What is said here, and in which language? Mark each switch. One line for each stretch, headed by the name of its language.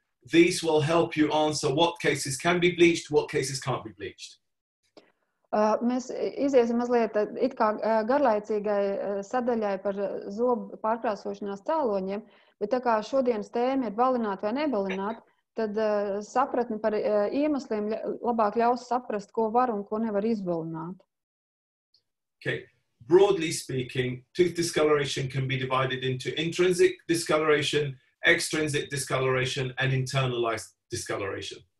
English: These will help you answer what cases can be bleached, what cases can't be bleached.
Latvian: Mēs iziesim mazliet it kā garlaicīgai sadaļai par zobu pārkrāsošanās cēloņiem, bet tā kā šodienas tēma ir balināt vai nebalināt, tad sapratni par iemesliem labāk ļaus saprast, ko var un ko nevar izbalināt.
English: Okay. Broadly speaking, tooth discoloration can be divided into intrinsic discoloration, extrinsic discoloration, and internalized discoloration.